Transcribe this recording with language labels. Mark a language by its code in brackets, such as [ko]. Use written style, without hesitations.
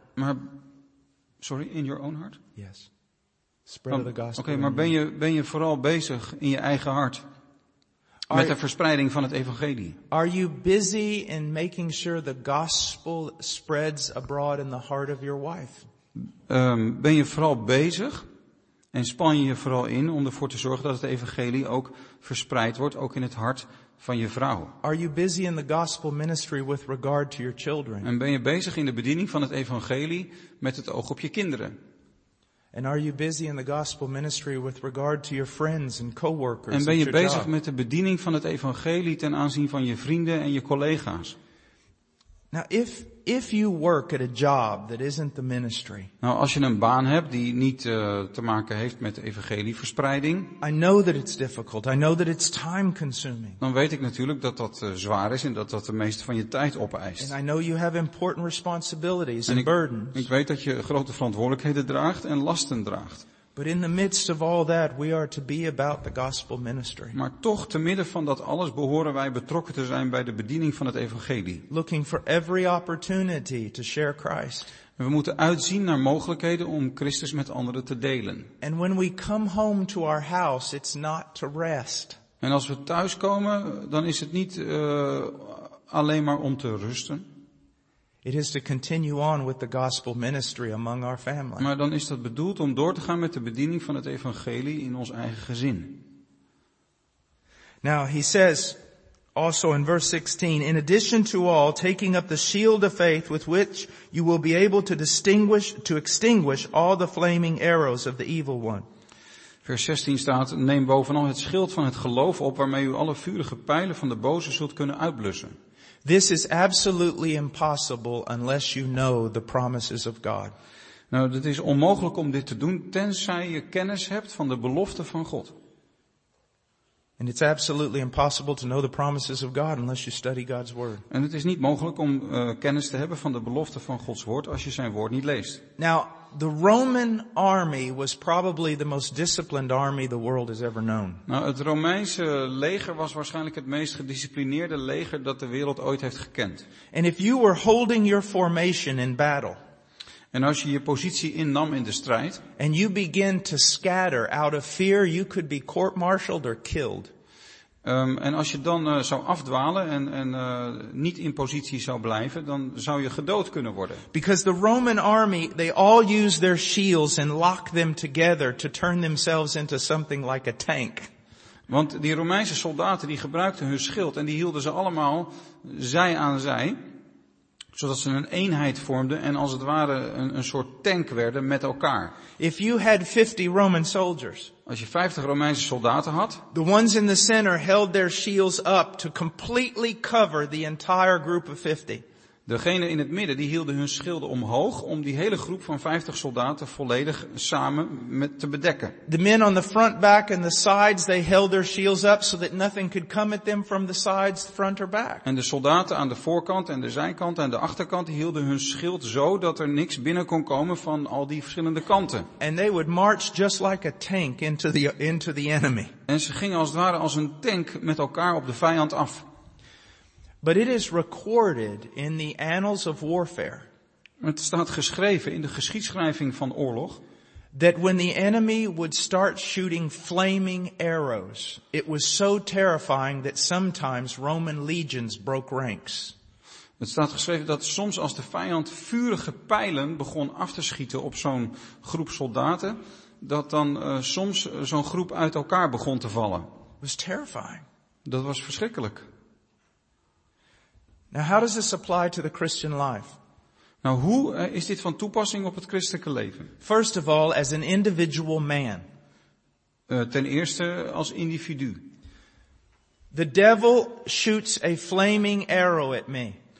[en] In your own heart? Yes. Spread of the gospel. [nl] Okay, maar ben je vooral bezig in je eigen hart? Met de verspreiding van het evangelie. [en] Are you busy in making sure the gospel spreads abroad in the heart of your wife? [nl] Ben je vooral bezig en span je vooral in om ervoor te zorgen dat het evangelie ook verspreid wordt, ook in het hart van je vrouw? [en] Are you busy in the gospel ministry with regard to your children? [nl] En ben je bezig in de bediening van het evangelie met het oog op je kinderen? [en] And are you busy in the gospel ministry with regard to your friends and coworkers? [nl] En ben je bezig met de bediening van het evangelie ten aanzien van je vrienden en je collega's? [en] Now if you work at a job that isn't the ministry. [nl] Nou, als je een baan hebt die niet te maken heeft met evangelieverspreiding. [en] I know that it's difficult. I know that it's time consuming. [nl] Dan weet ik natuurlijk dat dat zwaar is en dat dat de meeste van je tijd opeist. [en] And I know you have important responsibilities and burdens. [nl] Ik weet dat je grote verantwoordelijkheden draagt en lasten draagt. [en] But in the midst of all that we are to be about the gospel ministry. [nl] Maar toch te midden van dat alles behoren wij betrokken te zijn bij de bediening van het evangelie. [en] Looking for every opportunity to share Christ. [nl] En we moeten uitzien naar mogelijkheden om Christus met anderen te delen. [en] And when we come home to our house it's not to rest. [nl] En als we thuiskomen, dan is het niet alleen maar om te rusten. [en] It is to continue on with the gospel ministry among our family. [nl] Maar dan is dat bedoeld om door te gaan met de bediening van het evangelie in ons eigen gezin. [en] Now he says also in verse 16, in addition to all, taking up the shield of faith with which you will be able to extinguish all the flaming arrows of the evil one. [nl] Vers 16 staat, neem bovenal het schild van het geloof op waarmee u alle vurige pijlen van de boze zult kunnen uitblussen. [en] This is absolutely impossible unless you know the promises of God. [nl] Nou, het is onmogelijk om dit te doen tenzij je kennis hebt van de belofte van God. [en] And it's absolutely impossible to know the promises of God unless you study God's word. [nl] En het is niet mogelijk om kennis te hebben van de belofte van Gods woord als je zijn woord niet leest. [en] Now, the Roman army was probably the most disciplined army the world has ever known. [nl] Nou, het Romeinse leger was waarschijnlijk het meest gedisciplineerde leger dat de wereld ooit heeft gekend. [en] And if you were holding your formation in battle, [nl] en als je je positie innam in de strijd, [en] and you begin to scatter out of fear you could be court-martialed or killed. [nl] En als je dan zou afdwalen en niet in positie zou blijven, dan zou je gedood kunnen worden. [en] Because the Roman army, they all use their shields and lock them together to turn themselves into something like a tank. [nl] Want die Romeinse soldaten die gebruikten hun schild en die hielden ze allemaal zij aan zij, zodat ze een eenheid vormden en als het ware een soort tank werden met elkaar. [en] If you had 50 Roman soldiers, [nl] als je 50 Romeinse soldaten had, [en] the ones in the center held their shields up to completely cover the entire group of 50. [nl] Degene in het midden die hielden hun schilden omhoog om die hele groep van 50 soldaten volledig samen met te bedekken. [en] The men on the front, back and the sides, they held their shields up so that nothing could come at them from the sides, front or back. [nl] En de soldaten aan de voorkant en de zijkant en de achterkant hielden hun schild zo dat er niks binnen kon komen van al die verschillende kanten. [en] And they would march just like a tank into the enemy. [nl] En ze gingen als het ware als een tank met elkaar op de vijand af. [en] But it is recorded in the annals of warfare. [nl] Het staat geschreven in de geschiedschrijving van oorlog. [en] That when the enemy would start shooting flaming arrows, it was so terrifying that sometimes Roman legions broke ranks. [nl] Het staat geschreven dat soms als de vijand vurige pijlen begon af te schieten op zo'n groep soldaten, dat dan soms zo'n groep uit elkaar begon te vallen. [en] It was terrifying. [nl] Dat was verschrikkelijk. [en] Now how does this apply to the Christian life? [nl] Nou, hoe is dit van toepassing op het christelijke leven? [en] First of all, as an individual man. [nl] Ten eerste als individu. [en] The devil shoots a flaming arrow at me.